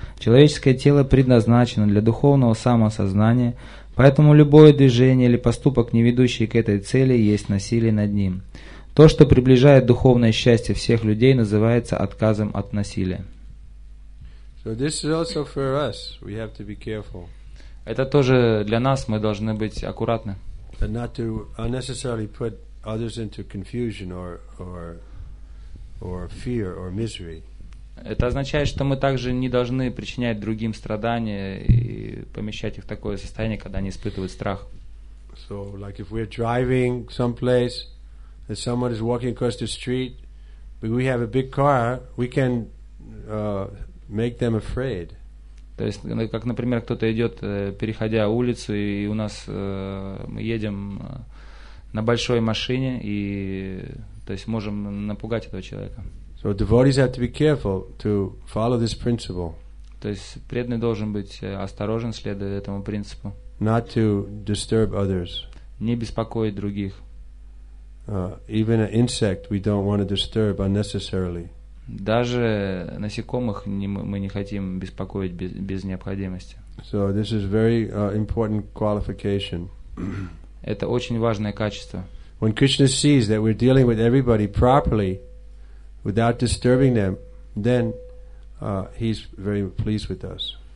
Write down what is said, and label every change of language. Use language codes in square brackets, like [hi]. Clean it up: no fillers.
[ru] Человеческое тело предназначено для духовного самосознания, поэтому любое движение или поступок, не ведущий к этой цели, есть насилие над ним. То, что приближает духовное счастье всех людей, называется отказом от насилия. [en] So this is also for us. We have to be careful. [ru] Это тоже для нас, мы должны быть аккуратны. [en] And not to unnecessarily put others into confusion or fear or misery. [ru] Это означает, что мы также не должны причинять другим страдания и помещать их в такое состояние, когда они испытывают страх. [en] So, like if we're driving someplace, and someone is walking across the street, but we have a big car, we can make them afraid. [ru] То есть, как, например, кто-то идет, переходя улицу, и у нас мы едем на большой машине, и то есть можем напугать этого человека. [en] So devotees have to be careful to follow this principle. [ru] То есть преданный должен быть осторожен, следуя этому принципу. [en] Not to disturb others. [ru] Не беспокоить других. [en] Even an insect we don't want to disturb unnecessarily. [ru] Даже насекомых мы не хотим беспокоить без необходимости. [en] So this is very important qualification. [ru] Это очень важное качество. [en] When Krishna sees that we're dealing with everybody properly, without disturbing them, then he's very pleased with us.